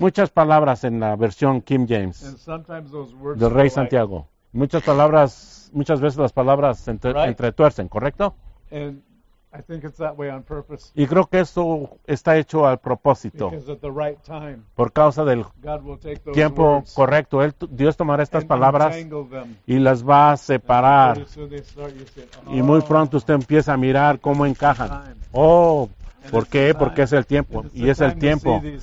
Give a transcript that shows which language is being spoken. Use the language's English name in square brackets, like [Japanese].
[Spanish] Muchas palabras en la versión King James del Rey Santiago. Muchas palabras, muchas veces las palabras entretuercen, ¿correcto? [English] And I think it's that way on purpose. [Spanish] Y creo que eso está hecho al propósito. [English] Because at the right time, [Spanish] por causa del tiempo correcto, Dios tomará estas palabras y las va a separar. Y muy pronto usted empieza a mirar cómo encajan. Oh, ¿por qué? Porque es el tiempo. Y es el tiempo.